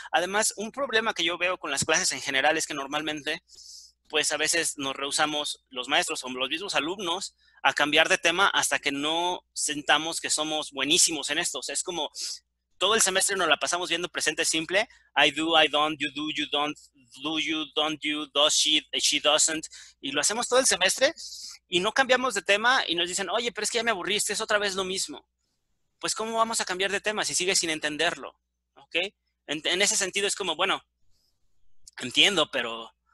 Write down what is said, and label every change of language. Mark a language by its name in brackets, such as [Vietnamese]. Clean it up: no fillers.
[Spanish] Además, un problema que yo veo con las clases en general es que normalmente, pues a veces nos rehusamos los maestros o los mismos alumnos a cambiar de tema hasta que no sentamos que somos buenísimos en esto. O sea, es como todo el semestre nos la pasamos viendo presente simple. [English] I do, I don't, you do, you don't, do you, don't you, does she doesn't. [Spanish] Y lo hacemos todo el semestre y no cambiamos de tema y nos dicen, oye, pero es que ya me aburriste, es otra vez lo mismo. Pues, ¿cómo vamos a cambiar de tema si sigues sin entenderlo? ¿Ok? En ese sentido es como, bueno, entiendo, pero...